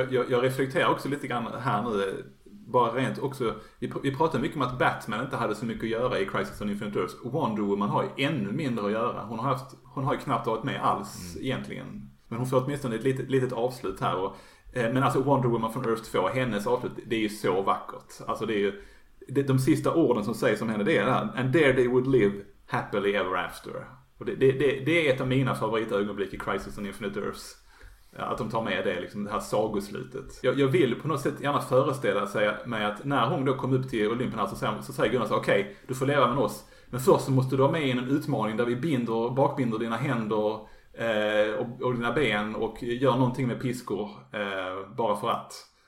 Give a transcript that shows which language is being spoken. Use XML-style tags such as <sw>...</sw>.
<sv>Jag reflekterar också lite grann här nu. Bara rent också, vi pratade mycket om att Batman inte hade så mycket att göra i Crisis on Infinite Earths. Wonder Woman har ju ännu mindre att göra. Hon har ju knappt varit med alls egentligen. Men hon får åtminstone ett litet avslut här. Men alltså Wonder Woman från Earth 2, hennes avslut, det är ju så vackert. Alltså det är ju, de sista orden som sägs om henne, det är det här.</sv> <en>And there they would live happily ever after.</en> <sv>Och det är ett av mina favoritögonblick i Crisis on Infinite Earths. Att de tar med det, liksom, det här sagoslutet. Jag vill på något sätt gärna föreställa mig att när hon då kom upp till Olympen här, så säger Gunnar så, okej, du får leva med oss. Men först så måste du ha med in en utmaning där vi bakbinder dina händer och dina ben och gör någonting med piskor bara för att.</sv>